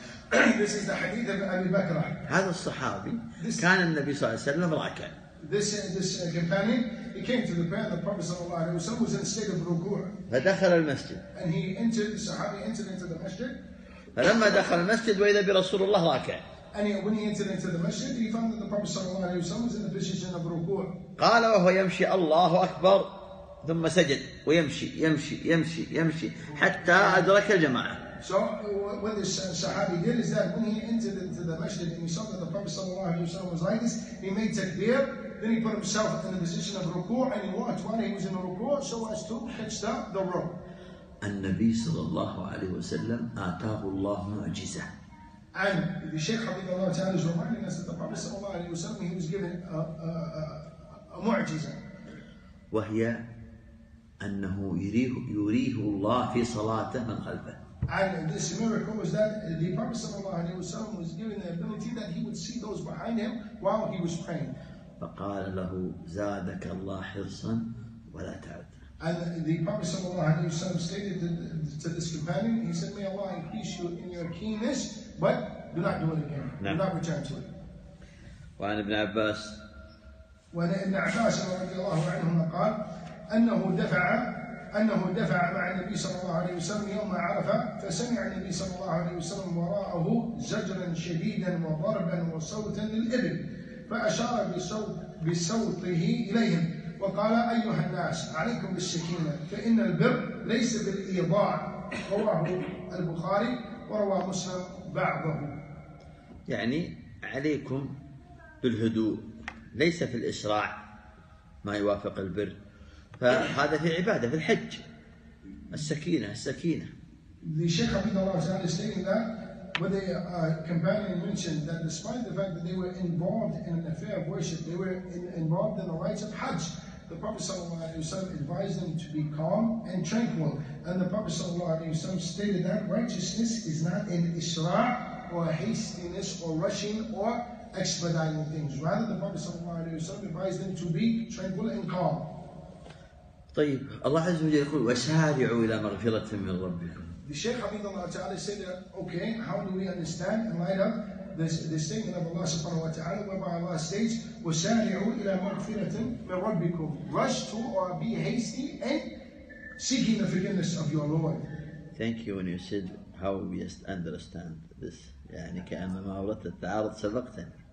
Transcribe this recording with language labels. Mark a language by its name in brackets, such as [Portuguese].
[English] This is the hadith of Abu Bakr. [Arabic] هذا الصحابي كان النبي صلى الله عليه وسلم راكع. [English] This companion, he came to the prayer. The Prophet sallallahu alaihi wasallam was in a state of ruku'. [Arabic] فدخل المسجد. [English] And he entered. The Sahabi entered into the masjid. [Arabic] فلما دخل المسجد وإذا برسول الله راكع. [English] And when he entered into the masjid, he found that the Prophet صلى الله عليه وسلم was in the position of ركوع. [Arabic] قال وهو يمشي الله أكبر ثم سجد ويمشي يمشي يمشي يمشي حتى أدرك الجماعة. [English] So what this Sahabi did is that when he entered into the masjid and he saw that the Prophet sallallahu alayhi wa sallam was like this, he made takbir, then he put himself in the position of ruku' and he walked while he was in the ruku' so as to catch the rope. [Arabic] النبي صلى الله عليه وسلم آتاه الله معجزة. [English] And the Shaykh حفظه الله تعالى is reminding us that the Prophet صلى الله عليه وسلم he was given a معجزة. [Arabic] وهي أنه يريه الله في صلاته من خلفه. [English] And this miracle was that the Prophet صلى الله عليه وسلم was given the ability that he would see those behind him while he was praying. [Arabic] فقال له زادك الله حرصا ولا تعد. [English] And the Prophet sallallahu alayhi wa sallam stated to this companion, he said, may Allah increase you in your keenness, but do not do it again. No. Do not return to it. [Arabic] وعن ابن عباس وعن ابن عباس رضي الله عنهما قال أنه دفع مع النبي صلى الله عليه وسلم يوم عرفة فسمع النبي صلى الله عليه وسلم وراءه زجرا شديدا وضربا وصوتا للإبل فأشار بصوته إليهم وقال أيها الناس عليكم بالسكينة فإن البر ليس بالإيضاع رواه البخاري وروى مسلم بعضه يعني عليكم بالهدوء ليس في الإسراع ما يوافق البر فهذا في عبادة في الحج السكينة [English] The Shaykh Abdullah Zahir is saying that when the companion mentioned that despite the fact that they were involved in an affair of worship they were involved in the rites of Hajj The Prophet sallallahu alaihi wasallam advised them to be calm and tranquil, and the Prophet sallallahu alaihi wasallam stated that righteousness is not in israr or hastiness or rushing or expediting things. Rather, the Prophet sallallahu alaihi wasallam advised them to be tranquil and calm. [Arabic] طيب الله عز وجل يقول وسارعوا إلى مغفرة من ربكم. [English] The Shaykh Hafidhullah Ta'ala said, okay, how do we understand in light of this statement of Allah subhanahu wa ta'ala whereby Allah states [Arabic] وَسَارِعُوا إِلَى مَغْفِرَةٍ مِنْ رَبِّكُمْ [English] Rush to or be hasty and seeking the forgiveness of your Lord. Thank you when you said how we understand this. [Arabic] يعني كأن ما أوردت التعارض سبقتني.